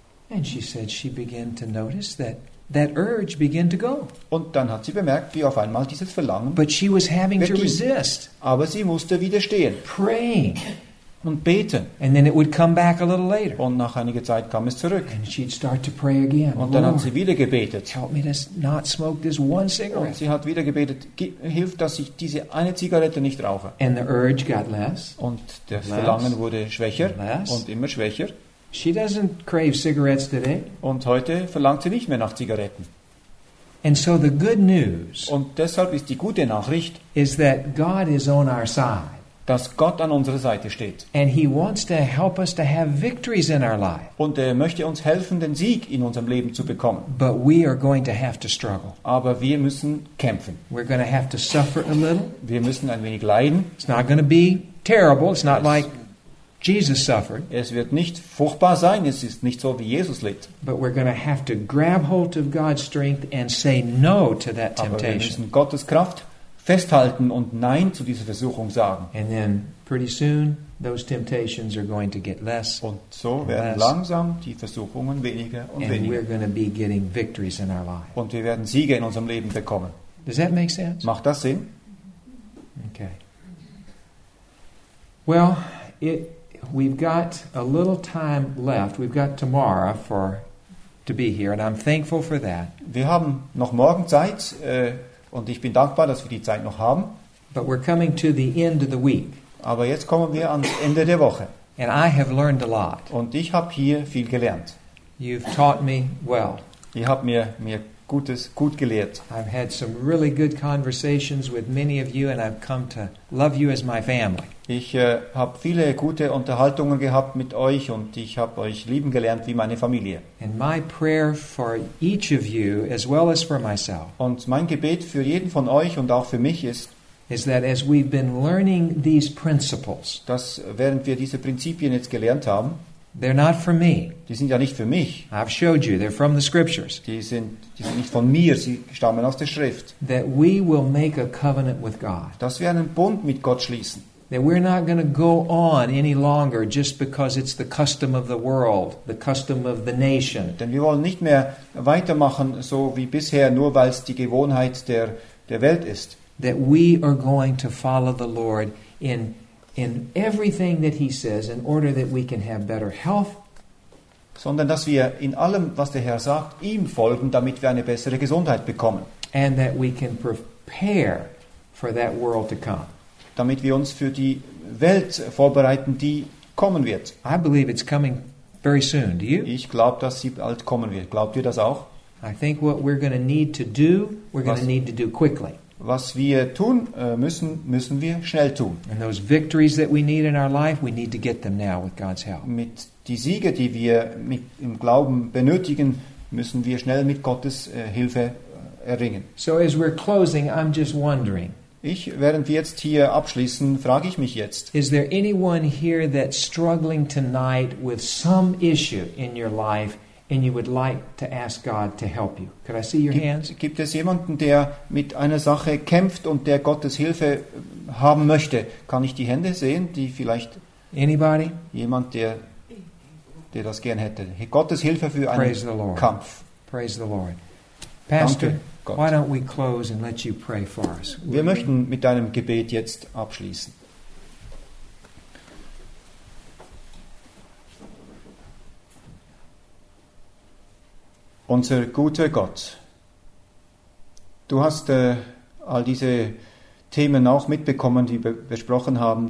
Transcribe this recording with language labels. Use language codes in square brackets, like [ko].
[en] And she said she began to notice that urge began to go. [de] Und dann hat sie bemerkt, wie auf einmal dieses Verlangen. [en] But she was having to resist. [de] Aber sie musste widerstehen. [en] Praying. [de] Und beten. [en] And then it would come back a little later. [de] Und nach einiger Zeit kam es zurück. [en] And she'd start to pray again. [de] Und dann hat sie wieder gebetet. [en] Help me to not smoke this one cigarette. [de] Und sie hat wieder gebetet, hilf, dass ich diese eine Zigarette nicht rauche. [en] And the urge got less. [de] Und das Verlangen wurde schwächer und immer schwächer. [en] She doesn't crave cigarettes today. [de] Und heute verlangt sie nicht mehr nach Zigaretten. [en] And so the good news, [de] und deshalb ist die gute Nachricht, [en] is that God is on our side. [de] Dass Gott an unserer Seite steht. [en] And he wants to help us to have victories in our life. [de] Und er möchte uns helfen, den Sieg in unserem Leben zu bekommen. [en] But we are going to have to struggle. [de] Aber wir müssen kämpfen. [en] We're going to have to suffer a little. [de] Wir müssen ein wenig leiden. [en] It's not going to be terrible. It's not like Jesus suffered. [de] Es wird nicht furchtbar sein, es ist nicht so, wie Jesus litt. [en] But we're going to have to grab hold of God's strength and say no to that temptation. [de] Aber wir müssen Gottes Kraft festhalten und nein zu dieser Versuchung sagen. [en] And then pretty soon those temptations are going to get less. [de] Und so werden langsam die Versuchungen weniger und weniger. [en] And we're going to be getting victories in our life. [de] Und wir werden Siege in unserem Leben bekommen. [en] Does that make sense? [de] Macht das Sinn? [en] Okay. Well, we've got a little time left. We've got tomorrow for to be here, and I'm thankful for that. [de] Wir haben noch morgen Zeit, und ich bin dankbar, dass wir die Zeit noch haben. [en] But we're coming to the end of the week. [de] Aber jetzt kommen wir ans Ende der Woche. [en] And I have learned a lot. [de] Und ich habe hier viel gelernt. [en] You've taught me well. [de] Ihr habt mir gut gelehrt. [en] I've had some really good conversations with many of you and I've come to love you as my family. [de] Ich habe viele gute Unterhaltungen gehabt mit euch und ich habe euch lieben gelernt wie meine Familie. [en] And my prayer for each of you as well as for myself. [de] Und mein Gebet für jeden von euch und auch für mich ist, [en] is that as we've been learning these principles, [de] dass während wir diese Prinzipien jetzt gelernt haben, [en] they're not for me. [de] Die sind ja nicht für mich. [en] I've showed you, they're from the scriptures. [de] Die sind nicht von mir, sie stammen aus der Schrift. [en] That we will make a covenant with God. [de] Dass wir einen Bund mit Gott schließen. [en] That we're not going to go on any longer just because it's the custom of the world, the custom of the nation. [de] Denn wir wollen nicht mehr weitermachen so wie bisher, nur weil es die Gewohnheit der Welt ist. [en] That we are going to follow the Lord in everything that he says in order that we can have better health. [de] Sondern dass wir in allem, was der Herr sagt, ihm folgen, damit wir eine bessere Gesundheit bekommen. [en] And that we can prepare for that world to come. [de] Damit wir uns für die Welt vorbereiten, die kommen wird. [en] I believe it's coming very soon. Do you? [de] Ich glaube, dass sie bald kommen wird. Glaubt ihr das auch? [en] I think what we're going to need to do, we're going to need to do quickly. [de] Was wir tun müssen, müssen wir schnell tun. [en] And those victories that we need in our life, we need to get them now with God's help. [de] Mit die Siege, die wir mit im Glauben benötigen, müssen wir schnell mit Gottes Hilfe erringen. [en] So as we're closing, I'm just wondering. [de] Ich, während wir jetzt hier abschließen, frage ich mich jetzt. [en] Is there anyone here that's struggling tonight with some issue in your life? And you would like to ask God to help you. Could I see your hands? [de] Gibt es jemanden, der mit einer Sache kämpft und der Gottes Hilfe haben möchte? Kann ich die Hände sehen, die vielleicht... [en] Anybody? [de] Jemand, der das gern hätte. Gottes Hilfe für einen [en] Praise the Lord. [de] Kampf. [en] Praise the Lord. Pastor, why don't we close and let you pray for us? [de] Wir möchten mit deinem Gebet jetzt abschließen. Unser guter Gott, du hast all diese Themen auch mitbekommen, die wir besprochen haben.